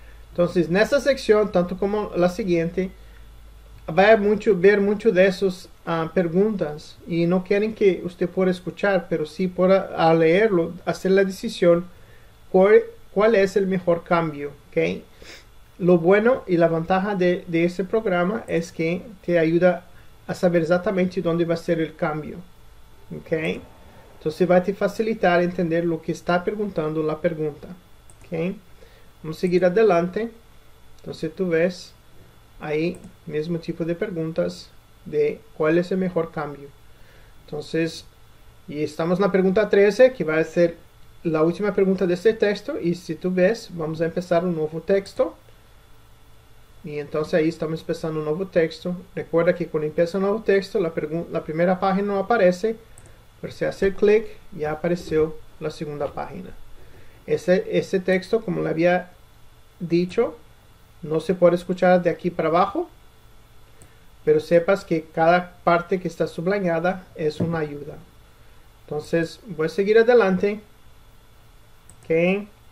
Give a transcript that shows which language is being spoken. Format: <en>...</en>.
<es>Entonces, en esta sección, tanto como la siguiente, va a ver mucho de esas preguntas y no quieren que usted pueda escuchar, pero sí pueda leerlo, hacer la decisión cuál es el mejor cambio. ¿Okay? Lo bueno y la ventaja de ese programa es que te ayuda a saber exactamente dónde va a ser el cambio. ¿Okay? Entonces, va a te facilitar entender lo que está preguntando la pregunta. ¿Okay? Vamos a seguir adelante.</es> <pt>Então, se tu vês, aí, mesmo tipo de perguntas de qual é o melhor cambio. Então, e estamos na pergunta 13, que vai ser a última pergunta desse texto. E se tu vês, vamos a começar um novo texto. E então, aí estamos começando um novo texto.</pt> <es>Recuerda</es> <pt>que quando começa um novo texto, a primeira página não aparece.</pt> <es>Por se hacer clic,</es> <pt>já apareceu a segunda página. Esse texto, como lhe havia</pt> <es>dicho, no se puede escuchar de aquí para abajo, pero sepas que cada parte que está sublineada es una ayuda. Entonces, voy a seguir adelante. Okay.</es>